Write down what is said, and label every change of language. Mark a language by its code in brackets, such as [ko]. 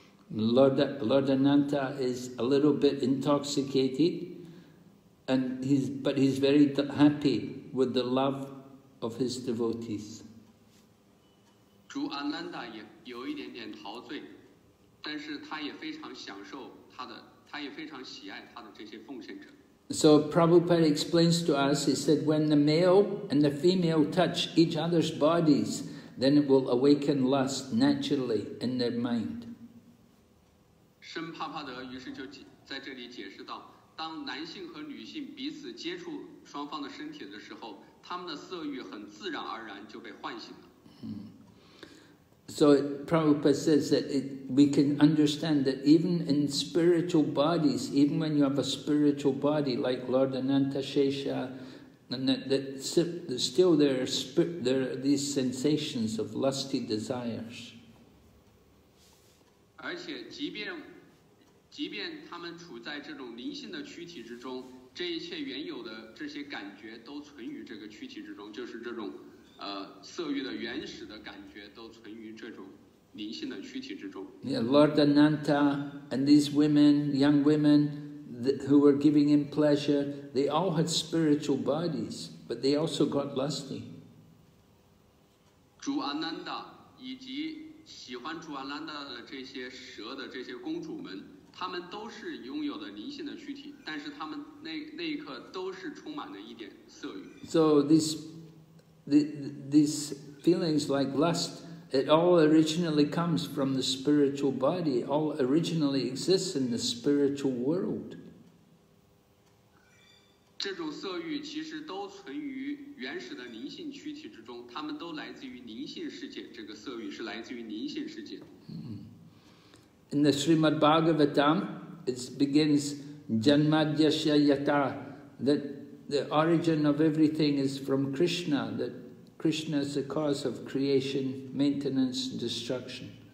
[en] Lord Ananta is a little bit intoxicated, but he's very happy with the love of his devotees. Lord Ananta is a little bit intoxicated. [zh] 但是他也非常享受他也非常喜爱他的这些奉献者。 [en] So Prabhupada explains to us, he said, when the male and the female touch each other's bodies, then it will awaken lust naturally in their mind. [zh] 圣帕帕德于是就在这里解释到，当男性和女性彼此接触双方的身体的时候，他们的色欲很自然而然就被唤醒了。 [en] So Prabhupada says that we can understand that even in spiritual bodies, even when you have a spiritual body like Lord Ananta Shesha, and that still there are these sensations of lusty desires. [zh] 而且即便他们处在这种灵性的躯体之中，这一切原有的这些感觉都存于这个躯体之中，就是这种色欲的原始的感觉都存于这种灵性的躯体之中。 [en] Yeah, Lord Ananta and these women, young women, who were giving him pleasure, they all had spiritual bodies, but they also got lusty. [zh] 主阿南达以及喜欢主阿南达的这些蛇的这些公主们，她们都是拥有的灵性的躯体，但是她们那一刻都是充满了一点色欲。 [en] So these feelings like lust, it all originally comes from the spiritual body, all originally exists in the spiritual world. [zh] 这种色欲其实都存于原始的灵性躯体之中，它们都来自于灵性世界，这个色欲是来自于灵性世界。 [en] In the Srimad Bhagavatam, it begins Janmadyasya Yata, thatThe origin of everything is from Krishna, that Krishna is the cause of creation, maintenance, and destruction.